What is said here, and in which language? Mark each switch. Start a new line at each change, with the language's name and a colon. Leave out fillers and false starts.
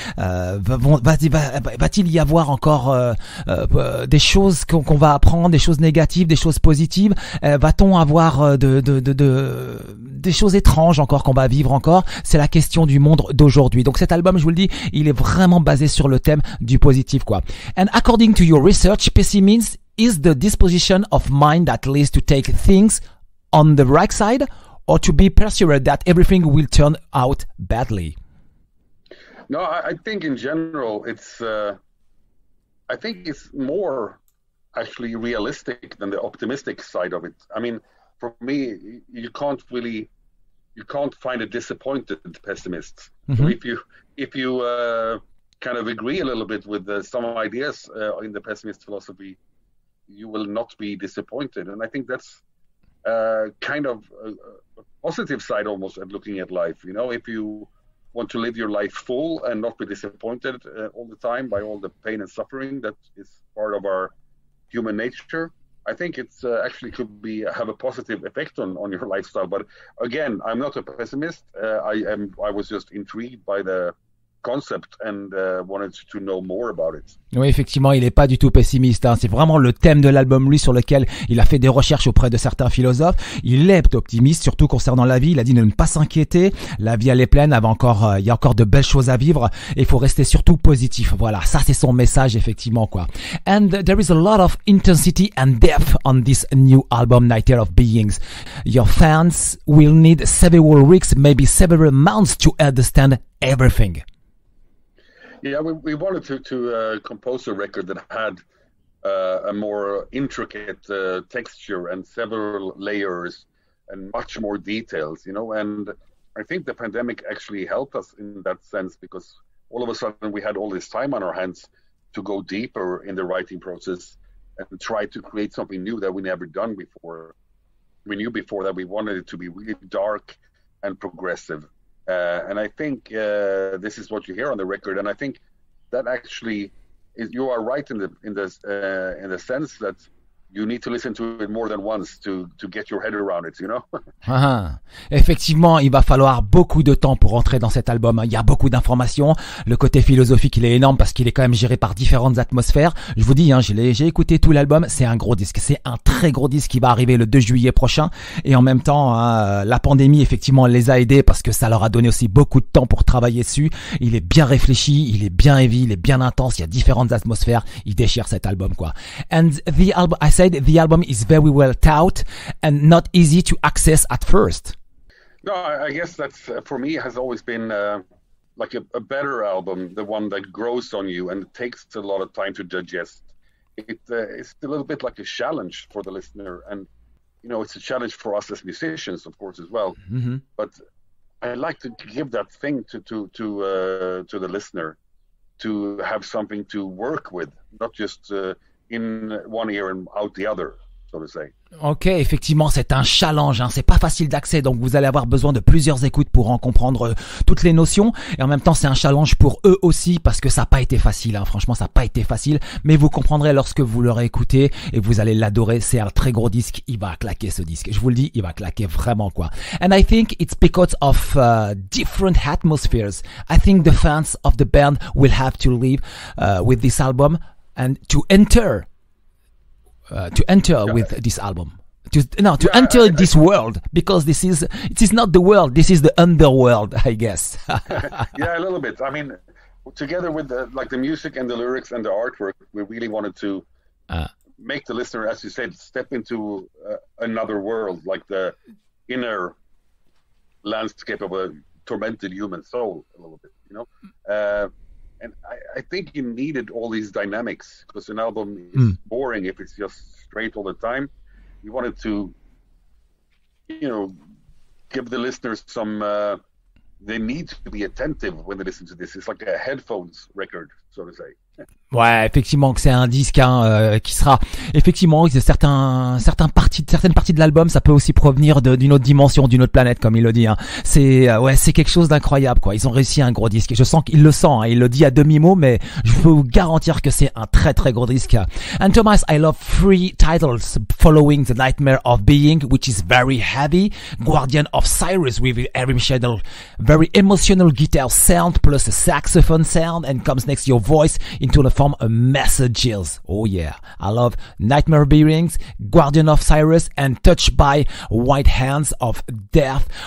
French: Va-t-il y avoir encore des choses qu'on va apprendre, des choses négatives, des choses positives? Va-t-on avoir des choses étranges encore qu'on va vivre encore? C'est la question du monde d'aujourd'hui. Donc cet album, je vous le dis, il est vraiment basé sur le thème du positif, quoi.
English: And according to your research, pessimism is the disposition of mind that leads to take things on the right side or to be persuaded that everything will turn out badly. No, I think in general, I think it's more actually realistic than the optimistic side of it. I mean, for me, you can't find a disappointed pessimist. Mm-hmm. So if you kind of agree a little bit with some ideas in the pessimist philosophy, you will not be disappointed. And I think that's kind of a positive side almost at looking at life. You know, if you want to live your life full and not be disappointed all the time by all the pain and suffering that is part of our human nature, I think it's actually could be have a positive effect on your lifestyle. But again, I'm not a pessimist. I was just intrigued by the concept and wanted to know more about it.
French: Oui, effectivement, il n'est pas du tout pessimiste. Hein. C'est vraiment le thème de l'album, lui, sur lequel il a fait des recherches auprès de certains philosophes. Il est optimiste, surtout concernant la vie. Il a dit de ne pas s'inquiéter. La vie, elle est pleine. Il y a encore de belles choses à vivre. Il faut rester surtout positif. Voilà, ça, c'est son message, effectivement, quoi.
English: And there is a lot of intensity and depth on this new album, Night Air of Beings. Your fans will need several weeks, maybe several months, to understand everything. Yeah, we wanted to compose a record that had a more intricate texture and several layers and much more details, you know. And I think the pandemic actually helped us in that sense because all of a sudden we had all this time on our hands to go deeper in the writing process and try to create something new that we never done before. We knew before that we wanted it to be really dark and progressive. And I think this is what you hear on the record. And I think that actually is, you are right in in the sense that you need to listen to it more than once to get your head around it, you know?
French: Effectivement, il va falloir beaucoup de temps pour entrer dans cet album. Il y a beaucoup d'informations. Le côté philosophique, il est énorme parce qu'il est quand même géré par différentes atmosphères. Je vous dis, hein, j'ai écouté tout l'album. C'est un gros disque. C'est un très gros disque qui va arriver le 2 juillet prochain. Et en même temps, hein, la pandémie, effectivement, les a aidés parce que ça leur a donné aussi beaucoup de temps pour travailler dessus. Il est bien réfléchi, il est bien heavy, il est bien intense. Il y a différentes atmosphères. Il déchire cet album, quoi.
English: And the album, I said the album is very well thought and not easy to access at first. No, I guess that's for me has always been like a better album, the one that grows on you and takes a lot of time to digest. It's a little bit like a challenge for the listener, and you know, it's a challenge for us as musicians, of course, as well. But I like to give that thing to the listener to have something to work with, not just in one ear and out the other, so to say.
French: Ok, effectivement, c'est un challenge, hein. C'est pas facile d'accès, donc vous allez avoir besoin de plusieurs écoutes pour en comprendre toutes les notions. Et en même temps, c'est un challenge pour eux aussi, parce que ça n'a pas été facile, hein. Franchement, ça n'a pas été facile, mais vous comprendrez lorsque vous l'aurez écouté et vous allez l'adorer. C'est un très gros disque, il va claquer ce disque. Je vous le dis, il va claquer vraiment, quoi.
English: And I think it's because of different atmospheres. I think the fans of the band will have to live with this album and to enter Got with it. this album, to no to Yeah, enter this world, because this is it is not the world, this is the underworld, I guess. yeah, a little bit. I mean, together with the like the music and the lyrics and the artwork, we really wanted to make the listener, as you said, step into another world, like the inner landscape of a tormented human soul, a little bit, you know. And I think you needed all these dynamics because an album is boring if it's just straight all the time. You wanted to, you know, give the listeners some, they need to be attentive when they listen to this. It's like a headphones record, so to say.
French: Ouais, effectivement que c'est un disque, hein, qui sera effectivement certaines parties de l'album, ça peut aussi provenir d'une autre dimension, d'une autre planète, comme il le dit, hein. C'est quelque chose d'incroyable, quoi. Ils ont réussi un gros disque. Je sens qu'il le sent, hein, il le dit à demi-mot, mais je peux vous garantir que c'est un très très gros disque.
English: And Thomas, I love three titles following the Nightmare of Being, which is very heavy. Guardian of Cyrus with every channel, very emotional guitar sound plus a saxophone sound, and comes next your voice into the form of messages. Oh yeah, I love Nightmare Bearings, Guardian of Cyrus, and Touched by White Hands of Death.